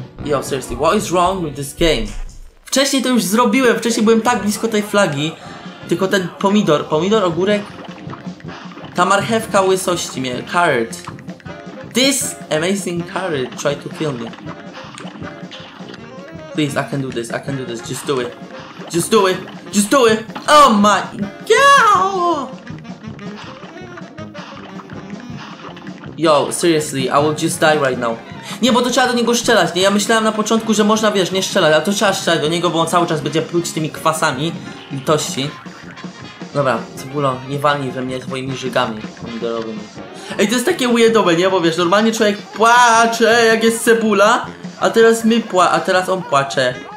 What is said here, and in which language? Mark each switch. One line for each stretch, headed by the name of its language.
English: Yo, seriously, what is wrong with this game?
Polish: Wcześniej to już zrobiłem, wcześniej byłem tak blisko tej flagi. Tylko ten pomidor, pomidor, ogórek. Ta marchewka łysości mnie, carrot.
English: This amazing carrot tried to kill me. Please, I can do this, I can do this, just do it. Just do it, just do it. Oh my god! Yo, seriously, I will just die right now.
Polish: Nie, bo to trzeba do niego strzelać, nie? Ja myślałem na początku, że można, wiesz, nie strzelać, ale to trzeba strzelać do niego, bo on cały czas będzie pluć tymi kwasami litości. Dobra, Cebulo, nie walnij we mnie swoimi żygami pomidorowymi. Ej, to jest takie weirdowe, nie? Bo wiesz, normalnie człowiek płacze, jak jest cebula, a teraz my płacze, a teraz on płacze.